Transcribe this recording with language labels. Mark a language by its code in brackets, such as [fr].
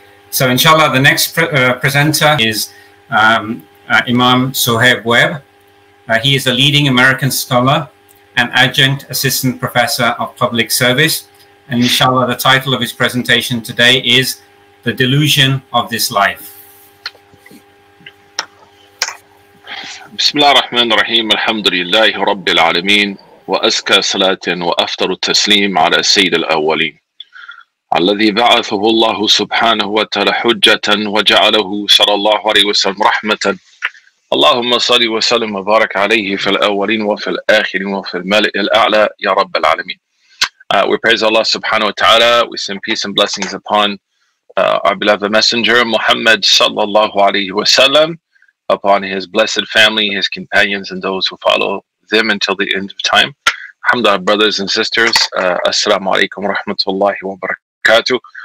[en] So inshallah, the next presenter is Imam Suhaib Webb. He is a leading American scholar and adjunct assistant professor of public service. And inshallah, the title of his presentation today is The Delusion of This Life. [ar] بسم الله الرحمن الرحيم الحمد لله رب العالمين وأزكى صلاة وأفضل التسليم على سيد الأولين الذي بعثه الله سبحانه وتعالى حجة وجعله صلى الله عليه وسلم رحمة اللهم صل وسلم وبارك عليه في الأولين وفي الآخرين وفي الملأ الأعلى يا رب العالمين. [en] We praise Allah [ar] سبحانه وتعالى. [en] We send peace and blessings upon our beloved messenger Muhammad [ar] صلى الله عليه وسلم, [en] upon his blessed family, his companions, and those who follow them until the end of time. Alhamdulillah, brothers and sisters. Assalamu alaikum wa rahmatullahi wa barakatuh.